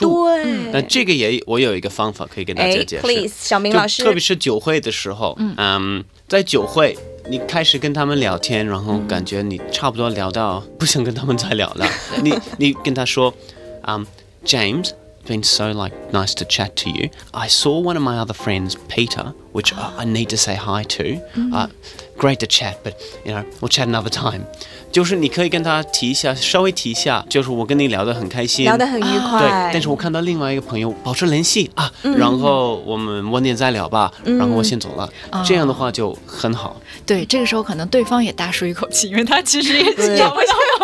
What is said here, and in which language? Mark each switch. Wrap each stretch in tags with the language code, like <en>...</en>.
<zh>对，那这个也我有一个方法可以跟大家解释。</zh> <en>Hey, please，</en> <zh>小明老师，特别是酒会的时候，在酒会你开始跟他们聊天，然后感觉你差不多聊到不想跟他们再聊了，你跟他说，James。</zh> <en>Been so like nice to chat to you. I saw one of my other friends, Peter, which I need to say hi to. Great to chat, but you know, we'll chat another time.</en> <zh>就是你可以跟他提一下，稍微提一下，就是我跟你聊得很开心，聊得很愉快。对，但是我看到另外一个朋友保持联系啊，然后我们晚点再聊吧，然后我先走了。这样的话就很好。对，这个时候可能对方也大舒一口气，因为他其实也找不到。</zh>